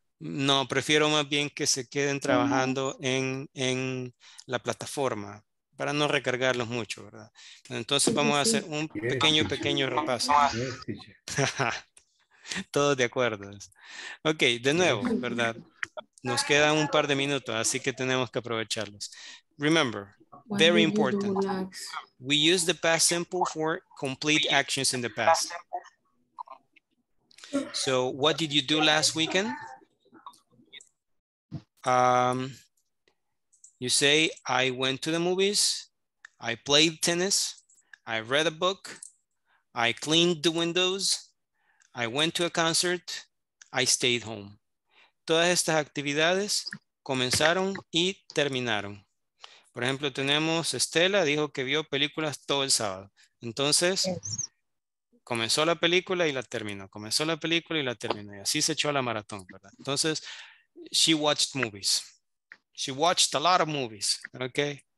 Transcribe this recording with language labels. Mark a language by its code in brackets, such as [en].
[es] No, prefiero más bien que se queden trabajando en la plataforma para no recargarlos mucho, ¿verdad? Bueno, entonces vamos a hacer un pequeño repaso. Todos de acuerdo. Ok, de nuevo, ¿verdad? Nos quedan un par de minutos, así que tenemos que aprovecharlos. [en] Remember, very important. We use the past simple for complete actions in the past. So, what did you do last weekend? You say, I went to the movies, I played tennis, I read a book, I cleaned the windows, I went to a concert, I stayed home. [es] Todas estas actividades comenzaron y terminaron. Por ejemplo, tenemos Estela, dijo que vio películas todo el sábado. Entonces, yes. Comenzó la película y la terminó. Comenzó la película y la terminó. Y así se echó a la maratón, ¿verdad? [en] Entonces, she watched movies. She watched a lot of movies, okay?